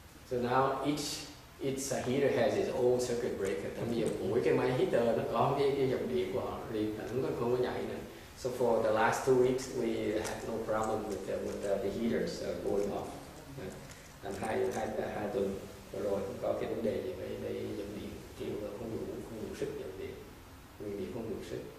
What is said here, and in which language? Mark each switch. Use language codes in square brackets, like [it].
[en] So now each heater has its own circuit breaker. [vi] Tại vì mỗi cái máy heater nó có cái dòng điện của họ riêng, chúng tôi không có nhảy nữa. [en] So for the last 2 weeks we had no problem with the heaters going off. [vi] Làm hai tuần rồi không có cái vấn đề gì với cái dòng điện thiếu và không đủ sức dòng điện, nguyên điện không đủ sức.